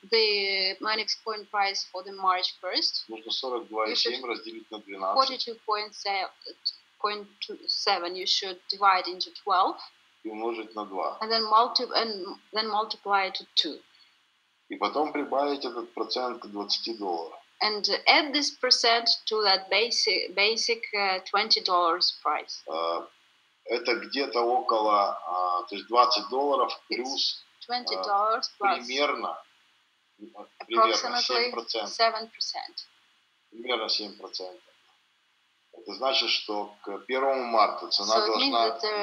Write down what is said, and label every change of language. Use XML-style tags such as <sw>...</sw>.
<en>the Minexcoin price for the March 1st,</en> <ru>нужно 42.7 разделить на 12.</ru> <en>42.7 you should divide into 12.</en> <ru>И умножить на 2.</ru> <en>And then, then multiply it to 2.</en> <ru>И потом прибавить этот процент к 20 долларов.</ru> <en>And add this percent to that basic $20 price.</en> <ru>Это где-то около, то есть $20 плюс $20 примерно, примерно 7%. Это значит, что к 1 марта цена должна...</ru>